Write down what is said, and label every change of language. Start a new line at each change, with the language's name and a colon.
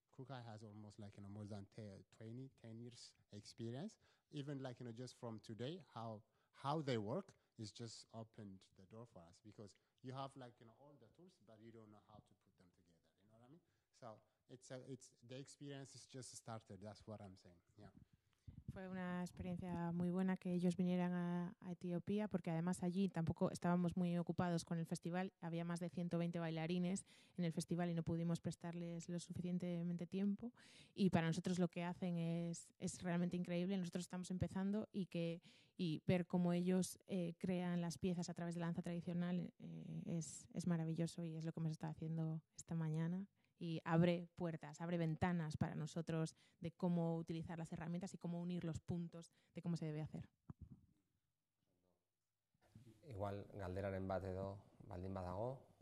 English: Kukai has almost like, you know, more than 10 years experience. Even like, you know, just from today, how they work is just opened the door for us, because you have like, you know, all the tools, but you don't know how to put them together. You know what I mean? So it's the experience is just started. That's what I'm saying. Yeah.
Spanish: Fue una experiencia muy buena que ellos vinieran a Etiopía, porque además allí tampoco estábamos muy ocupados con el festival. Había más de 120 bailarines en el festival y no pudimos prestarles lo suficientemente tiempo. Y para nosotros lo que hacen es realmente increíble. Nosotros estamos empezando y ver cómo ellos crean las piezas a través de la danza tradicional es maravilloso, y es lo que hemos estado haciendo esta mañana. Y abre puertas, abre ventanas para nosotros de cómo utilizar las herramientas y cómo unir los puntos de cómo se debe hacer.
Basque: Igual, galderaren bat edo baldin badago.